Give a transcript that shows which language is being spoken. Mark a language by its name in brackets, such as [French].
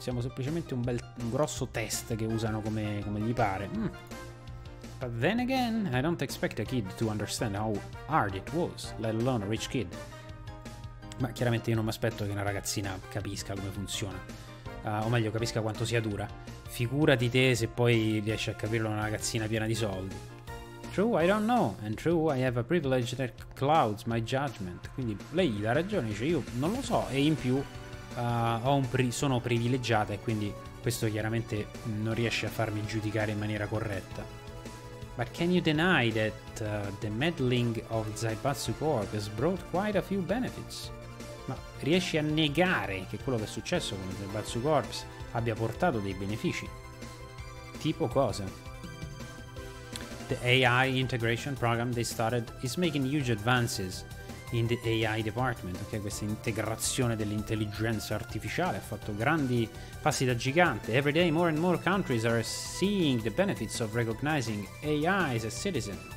[Italian] Siamo semplicemente un grosso test che usano come gli pare. [English] But then again, I don't expect a kid to understand how hard it was, let alone a rich kid. [Italian] Ma chiaramente io non mi aspetto che una ragazzina capisca come funziona, o meglio, capisca quanto sia dura. Figurati te se poi riesci a capirlo una ragazzina piena di soldi. [English] True, I don't know, and true, I have a privilege that clouds my judgment. [Italian] Quindi lei gli dà ragione, dice io non lo so, e in più sono privilegiata, e quindi questo chiaramente non riesce a farmi giudicare in maniera corretta. [English] But can you deny that the meddling of Zaibatsu Corp has brought quite a few benefits? [Italian] Ma riesci a negare che quello che è successo con Zaibatsu Corp abbia portato dei benefici? Tipo cosa? [English] The AI integration program they started is making huge advances in the AI department. [Italian] Ok, questa integrazione dell'intelligenza artificiale ha fatto grandi passi da gigante. [English] Every day more and more countries are seeing the benefits of recognizing AI as citizens.